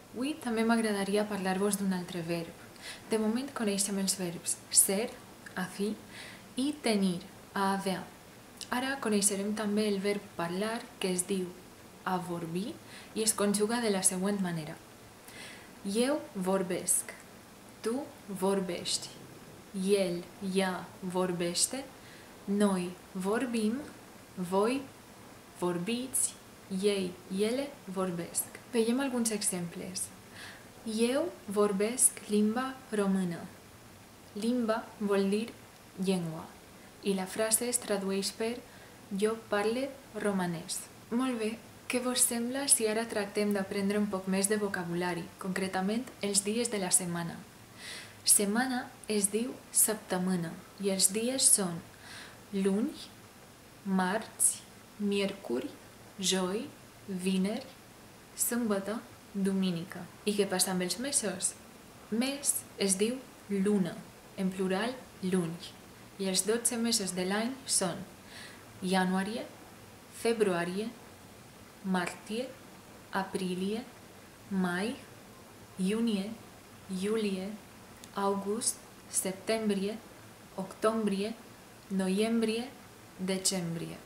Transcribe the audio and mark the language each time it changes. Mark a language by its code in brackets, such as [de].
[ca] Avui també m'agradaria parlar-vos d'un altre verb. De moment coneixem els verbs ser, a fi, i tenir, a haver. Ara coneixerem també el verb parlar, que es diu avorbir, i es conjuga de la següent manera. [ro] Eu vorbesc, tu vorbești, el, ea vorbește, noi vorbim, voi vorbiți, ei, ele vorbesc. [ca] Veiem alguns exemples. [ro] Eu vorbesc limba română. [ca] Limba vol dir llengua. I la frase es tradueix per jo parle romanès. Molt bé, què vos sembla si ara tractem d'aprendre un poc més de vocabulari, concretament els dies de la setmana? Setmana es diu săptămână i els dies són [ro] luni, marți, miercuri, joi, vineri, sâmbătă, duminică. [ca] I què passa amb els mesos? Mes es diu lună, en plural luni. I els 12 mesos de l'any són [ro] ianuarie, februarie, martie, aprilie, mai, iunie, iulie, august, septembrie, octombrie, noiembrie, decembrie.